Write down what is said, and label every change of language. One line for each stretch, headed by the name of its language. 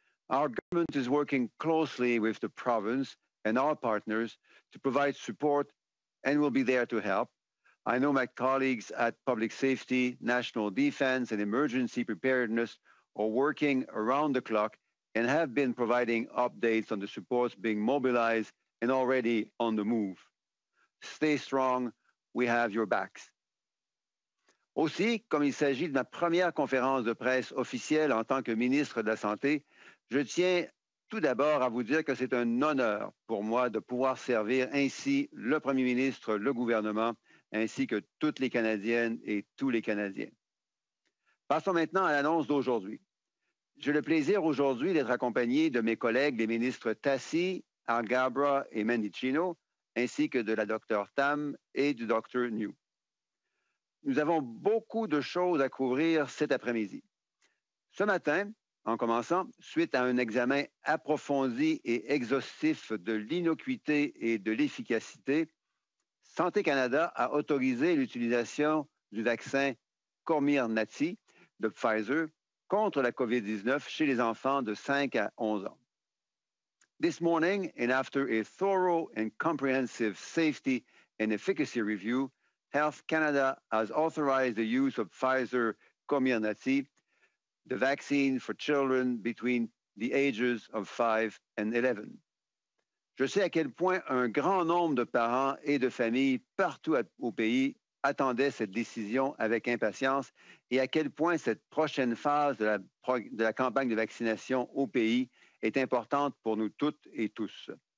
English: Our government is working closely with the province and our partners to provide support and will be there to help. I know my colleagues at Public Safety, National Defense, and Emergency Preparedness are working around the clock and have been providing updates on the supports being mobilized and already on the move. Stay strong, we have your backs.
French: Aussi, comme il s'agit de ma première conférence de presse officielle en tant que ministre de la Santé, je tiens tout d'abord à vous dire que c'est un honneur pour moi de pouvoir servir ainsi le Premier ministre, le gouvernement, ainsi que toutes les Canadiennes et tous les Canadiens. Passons maintenant à l'annonce d'aujourd'hui. J'ai le plaisir aujourd'hui d'être accompagné de mes collègues, les ministres Tassi, Alghabra et Mendicino, ainsi que de la Dr Tam et du Dr Njoo. Nous avons beaucoup de choses à couvrir cet après-midi. Ce matin, en commençant, suite à un examen approfondi et exhaustif de l'innocuité et de l'efficacité, Santé Canada a autorisé l'utilisation du vaccin Comirnaty de Pfizer contre la COVID-19 chez les enfants de 5 à 11 ans.
English: This morning, and after a thorough and comprehensive safety and efficacy review, Health Canada has authorized the use of Pfizer Comirnaty, the vaccine for children between the ages of 5 and 11.
French: Je sais à quel point un grand nombre de parents et de familles partout au pays attendaient cette décision avec impatience et à quel point cette prochaine phase de la campagne de vaccination au pays est importante pour nous toutes et tous.